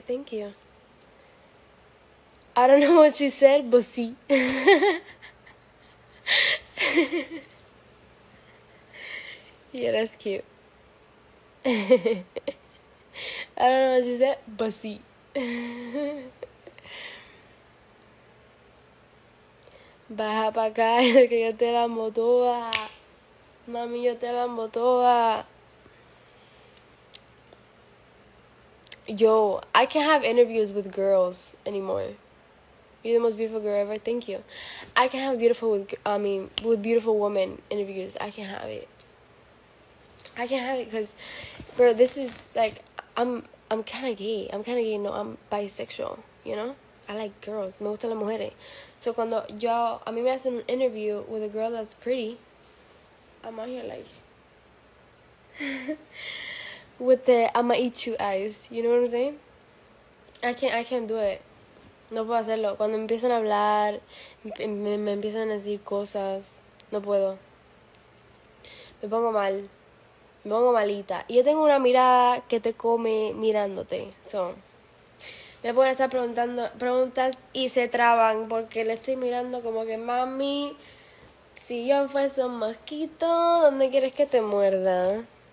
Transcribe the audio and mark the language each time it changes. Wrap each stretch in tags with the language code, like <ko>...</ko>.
<en>Thank you. I don't know what you said, but sí. Yeah, that's cute. I don't know what you said, but sí.</en> <es>Baja pa' acá, que yo te la amo toda. Mami, yo te la amo toda.</es> <en>Yo, I can't have interviews with girls anymore. You're the most beautiful girl ever. Thank you. I can't have beautiful with beautiful women interviews. I can't have it. I can't have it because, bro, this is like, I'm kind of gay. I'm kind of gay. No, I'm bisexual, you know? I like girls.</en> <es>Me gustan las mujeres.</es> <en>So</en> <es>cuando yo, a mí me hacen un</es> <en>interview with a girl that's pretty, I'm out here like with the I'ma eat you eyes, you know what I'm saying? I can't do it.</en> <es>No puedo hacerlo. Cuando me empiezan a hablar, me empiezan a decir cosas, no puedo. Me pongo mal. Me pongo malita. Y yo tengo una mirada que te come mirándote. So me pueden estar preguntando preguntas y se traban porque le estoy mirando como que, mami, si yo fuese un mosquito, ¿dónde quieres que te muerda?</es>